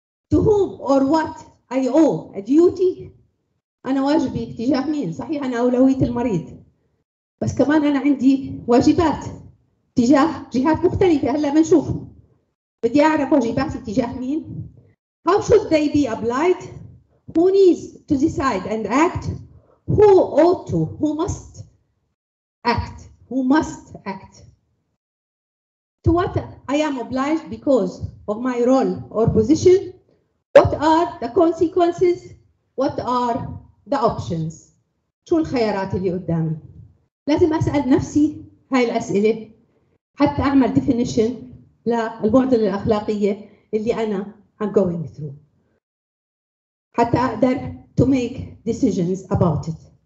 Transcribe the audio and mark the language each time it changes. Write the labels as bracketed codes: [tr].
[en] To whom or what I owe a duty? [ar] أنا واجبي تجاه مين؟ صحيح أنا أولوية المريض. بس كمان أنا عندي واجبات تجاه جهات مختلفة هلا بنشوف. بدي أعرف واجباتي تجاه مين؟ [en] How should they be applied? Who needs to decide and act? Who ought to? Who must act? Who must act? To what I am obliged because of my role or position? What are the consequences? What are the options? [ar] شو الخيارات اللي قدامي؟ لازم أسأل نفسي هاي الأسئلة حتى أعمل definition للمعضلة الأخلاقية اللي أنا [en] I'm going through. [ar] حتى أقدر [en] to make decisions about it.